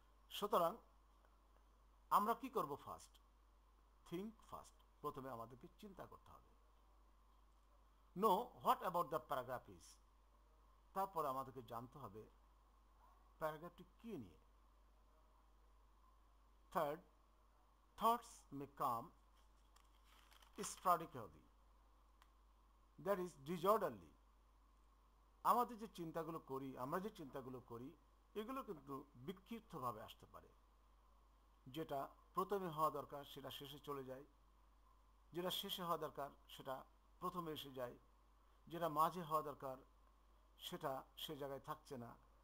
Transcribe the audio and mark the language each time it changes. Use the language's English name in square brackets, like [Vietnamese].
[Bangla] সুতরাং আমরা কি করব, ফার্স্ট থিঙ্ক, ফার্স্ট প্রথমে আমাদেরকে চিন্তা করতে হবে, [English] Know what about the paragraph is. [Bangla] তারপর আমাদেরকে জানতে হবে প্যারাগ্রাফটি কি নিয়ে। [English] Third, thoughts may come sporadically, that is disorderly. [Bangla] আমাদের যে চিন্তাগুলো করি, আমরা যে চিন্তাগুলো করি, এগুলো কিন্তু বিক্ষিপ্তভাবে আসতে পারে। যেটা প্রথমে হওয়া দরকার সেটা শেষে চলে যায়, যেটা শেষে হওয়া দরকার সেটা প্রথমে এসে যায়, যেটা মাঝে হওয়া দরকার সেটা সে জায়গায় থাকছে না।